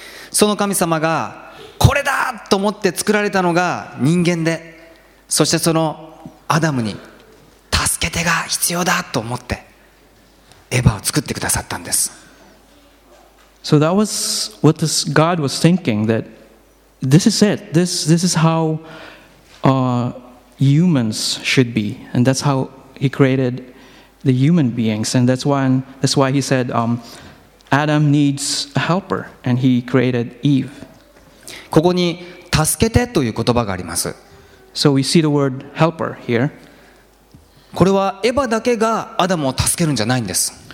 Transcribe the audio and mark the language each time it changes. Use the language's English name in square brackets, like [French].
[Japanese] その神様がこれだと思って作られたのが人間で、そしてそのアダムに助け手が必要だと思ってエヴァを作ってくださったんです。 [English] So that was what this God was thinking, that this is it. This is how humans should be. And that's how he created the human beings. And that's why he said, Adam needs a helper. And he created Eve. [Japanese] ここに助けてという言葉があります。 [English] So we see the word helper here. [Japanese] これはエヴァだけがアダムを助けるんじゃないんです。